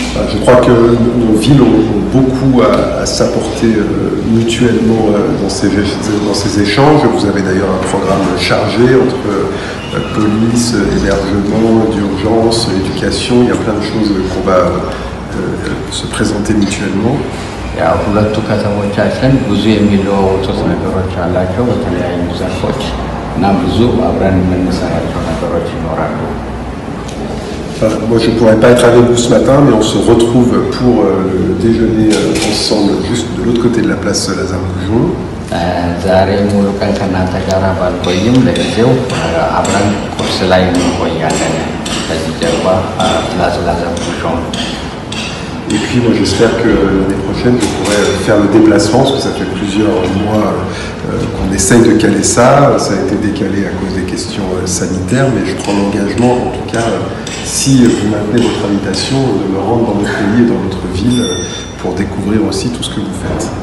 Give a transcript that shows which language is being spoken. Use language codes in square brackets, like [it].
[fr] Je crois que nos villes ont beaucoup à s'apporter mutuellement dans ces échanges. Vous avez d'ailleurs un programme chargé entre police, hébergement, d'urgence, éducation. Il y a plein de choses qu'on va se présenter mutuellement. [am] ሁለቱ ከተሞቻችን ብዙ የሚለዋወጡት ነገሮች አላቸው በተለያዩ ዘርፎች እና ብዙ አብረን የምንሰራቸው ነገሮች ይኖራሉ። [fr] Moi, je ne pourrais pas être avec vous ce matin, mais on se retrouve pour déjeuner ensemble juste de l'autre côté de la place Lazare Boujon. [am] ዛሬ ሙሉ ቀን ከእናንተ ጋር ባልቆይም ለጊዜው አብረን ቁርስ ላይ እንቆያለን ከዚህ ጀርባ ፕላስ ላዛር ቡዦን [fr] Et puis moi j'espère que l'année prochaine je pourrai faire le déplacement, parce que ça fait plusieurs mois qu'on essaye de caler ça. Ça a été décalé à cause des questions sanitaires, mais je prends l'engagement, en tout cas, si vous maintenez votre invitation, de me rendre dans votre pays et dans votre ville pour découvrir aussi tout ce que vous faites.